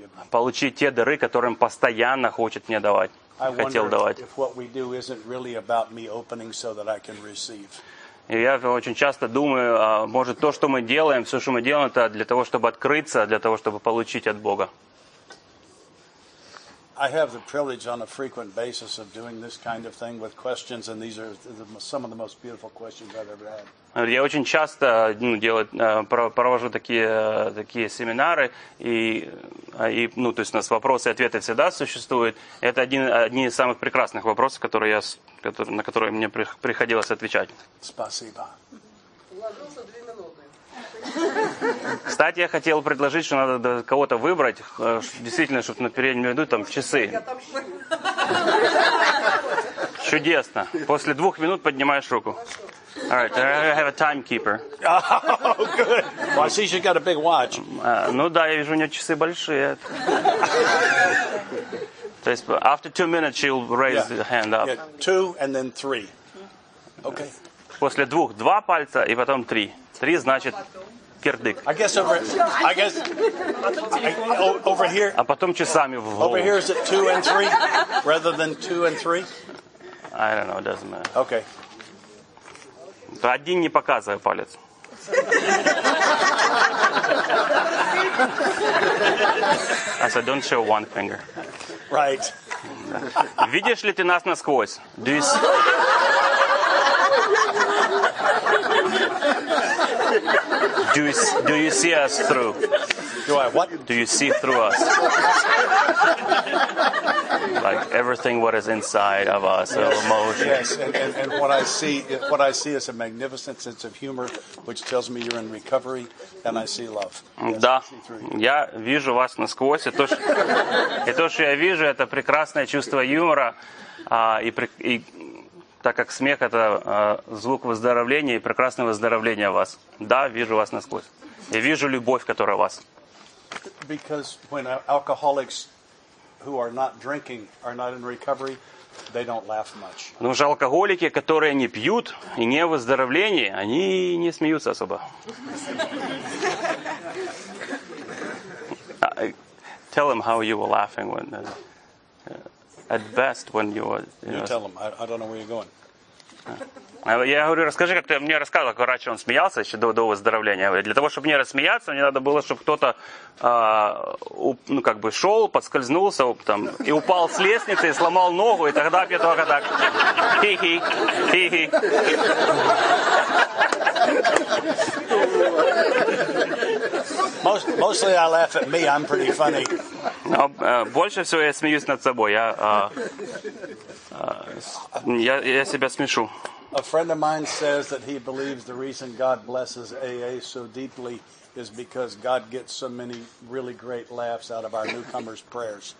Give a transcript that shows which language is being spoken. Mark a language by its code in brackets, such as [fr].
[ru] Получить те дары, которые Он постоянно хочет мне давать, [en] I [ru] хотел давать. [en] If what we do isn't really about me opening so that I can receive. [ru] И я очень часто думаю, может, то, что мы делаем, все, что мы делаем, это для того, чтобы открыться, для того, чтобы получить от Бога. [en] I have the privilege on a frequent basis of doing this kind of thing with questions, and these are some of the most beautiful questions I've ever had. [ru] Я очень часто провожу такие семинары, то есть у нас вопросы и ответы всегда существуют. Это одни из самых прекрасных вопросов, на которые мне приходилось отвечать. Спасибо. Кстати, я хотел предложить, что надо кого-то выбрать, действительно, чтобы на переднем ряду там часы. Чудесно. После двух минут поднимаешь руку. [en] All right, I have a timekeeper. Oh, good. Well, I see she's got a big watch. [ru] Ну да, я вижу, у нее часы большие. То есть, [en] after 2 minutes, she'll raise the hand up. Yeah, 2 and then 3. Okay. [ru] После двух, 2 пальца и потом 3. 3 значит... Кирдык. [en] I guess over here. [ru] А потом часами в голову. [en] Over here is it 2 and 3, rather than 2 and 3? I don't know, it doesn't matter. Okay. [ru] То один не показывай палец. [en] I said, don't show one finger. Right. [ru] Видишь ли ты нас насквозь? [en] Do you see? Do you see us through? Do I what? Do you see through us? Like everything what is inside of us, yes. Our emotions. Yes, and what I see is a magnificent sense of humor, which tells me you're in recovery, and I see love. Yes, [ru] да, see я вижу вас насквозь, и то, что я вижу, это прекрасное чувство юмора, и так как смех — это звук выздоровления и прекрасного выздоровления в вас. Да, вижу вас насквозь. Я вижу любовь, которая у вас. [en] Because when alcoholics who are not drinking are not in recovery, they don't laugh much. [ru] Ну же, алкоголики, которые не пьют и не в выздоровлении, они не смеются особо. [en] Tell them how you were laughing when you were, you know, tell them. I don't know where you're going. [ru] Я говорю, расскажи, как ты мне рассказывал, как раньше он смеялся еще до выздоровления. Для того, чтобы не рассмеяться, мне надо было, чтобы кто-то шел, подскользнулся там, и упал с лестницы, и сломал ногу, и тогда я только так. Хи-хи, хи-хи. [en] Mostly I laugh at me, I'm pretty funny. [ru] Но, больше всего я смеюсь над собой, я себя смешу. [en] A friend of mine says that he believes the reason God blesses AA so deeply is because God gets so many really great laughs out of our newcomers' prayers.